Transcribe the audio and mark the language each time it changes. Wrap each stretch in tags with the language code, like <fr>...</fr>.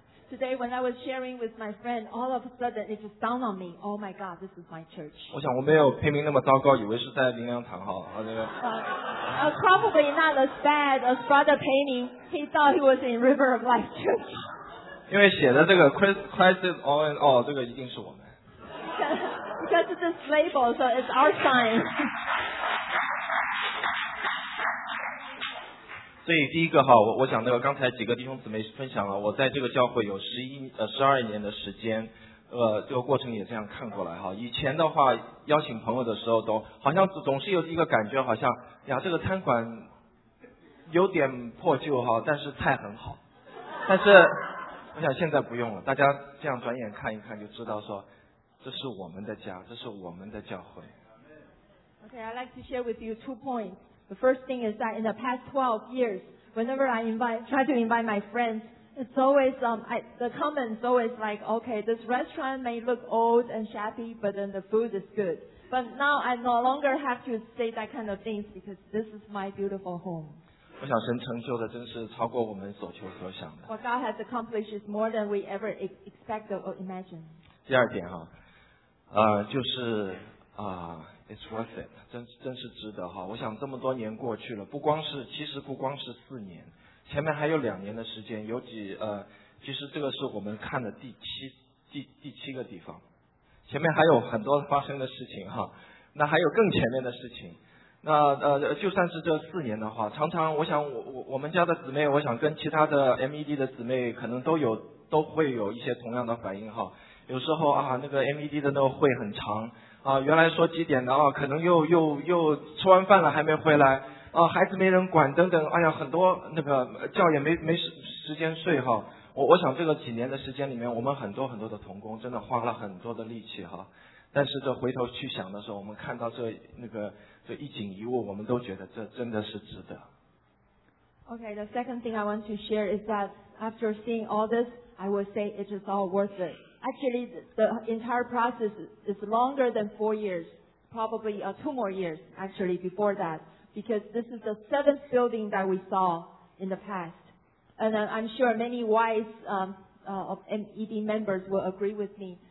<en>Today, when I was sharing with my friend, all of a sudden it just dawned on me. Oh my God, this is my church.</en> <zh>我想我没有拼命那么糟糕，以为是在灵粮堂哈。</zh> <en>Probably not as bad as Brother Payning. He thought he was in River of Life Church.</en> <zh>因为写的这个 Crisis All in All， 这个一定是我们。</zh> <en>Because of this label, so it's our sign.</en> <zh>所以第一个哈，我想那个刚才几个弟兄姊妹分享了，我在这个教会有十二年的时间，这个过程也这样看过来哈。以前的话，邀请朋友的时候都好像总是有一个感觉，好像呀这个餐馆有点破旧哈，但是菜很好。但是我想现在不用了，大家这样转眼看一看就知道说，这是我们的家，这是我们的教会。</zh> <en>Okay, I'd like to share with you two points.The first thing is that in the past 12 years, whenever I invite, try to invite my friends, it's always, the comment is always like, okay, this restaurant may look old and shabby, but then the food is good. But now I no longer have to say that kind of things because this is my beautiful home.</en> <zh>我想神成就的真是超过我们所求所想的。</zh> <en>What God has accomplished is more than we ever expected or imagined.</en> <zh>第二点啊，就是啊，</zh> <en>it's worth it，</en> <zh>真是值得哈。我想这么多年过去了，不光是四年，前面还有两年的时间，有几其实这个是我们看的第七个地方，前面还有很多发生的事情哈，那还有更前面的事情。那就算是这四年的话，常常我想我们家的姊妹，我想跟其他的 MED 的姊妹可能都会有一些同样的反应哈。有时候啊，那个 MED 的那个会很长啊，原来说几点的啊，可能又吃完饭了还没回来啊，孩子没人管等等，哎呀，很多那个觉也没时间睡哈。我想这个几年的时间里面，我们很多很多的同工真的花了很多的力气哈。但是这回头去想的时候，我们看到这那个这一景一物，我们都觉得这真的是值得。</zh> <en>Okay, the second thing I want to share is that after seeing all this, I would say it is all worth it. Actually, the entire process is longer than 4 years, probably two more years actually before that, because this is the seventh building that we saw in the past, and I'm sure many wise of MED members will agree with me.</en>